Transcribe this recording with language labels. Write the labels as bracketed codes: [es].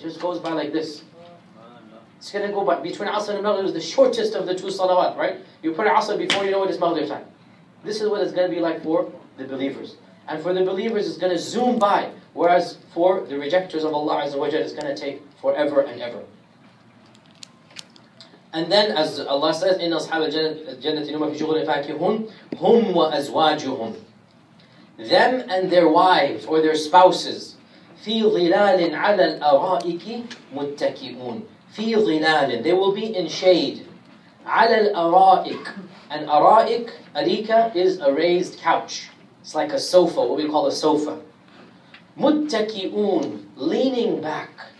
[en] Just goes by like this. It's going to go by. Between Asr and Maghrib is the shortest of the two salawat, right? You put Asr before you know it is Maghrib time. This is what it's going to be like for the believers. And for the believers, it's going to zoom by. Whereas for the rejectors of Allah Azza wa Jal, it's going to take forever and ever. And then, as Allah says, [ar] إِنَّ أَصْحَابَ الْجَنَّةِ نُمَا فِي شُغُلٍ فَاكِهُونَ هُمْ وَأَزْوَاجُهُمْ. [en] Them and their wives, or their spouses, [ar] فِي ظِلَالٍ عَلَى الْأَرَائِكِ مُتَّكِئُونَ. فِي ظِلَالٍ, [en] they will be in shade. [ar] عَلَى الْأَرَائِكِ. [en] An araik, arika, is a raised couch. It's like a sofa, what we call a sofa. [ar] مُتَّكِئُونَ, [en] leaning back.